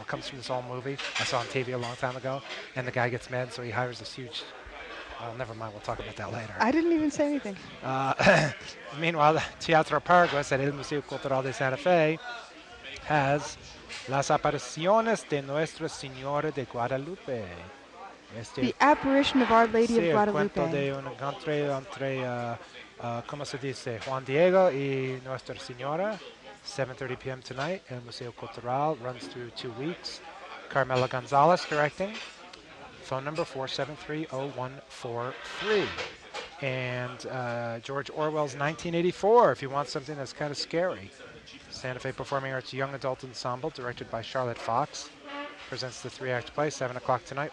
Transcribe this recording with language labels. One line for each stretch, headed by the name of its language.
English: It comes from this old movie I saw on TV a long time ago. And the guy gets mad, so he hires this huge... Well, never mind. We'll talk about that later. I didn't even say anything. meanwhile, Teatro Paraguas at El Museo Cultural de Santa Fe has Las Apariciones de Nuestra Señora de Guadalupe. The Apparition of Our Lady of Guadalupe.
Spanish: Cuento de un encuentro entre, como se dice, Juan Diego y Nuestra Señora, 7:30 p.m.
English: tonight, El Museo Cultural, runs through 2 weeks. Carmela Gonzalez directing. Phone number 473-0143. And George Orwell's 1984, if you want something that's kind of scary. Santa Fe Performing Arts Young Adult Ensemble, directed by Charlotte Fox, presents the three-act play, 7 o'clock tonight.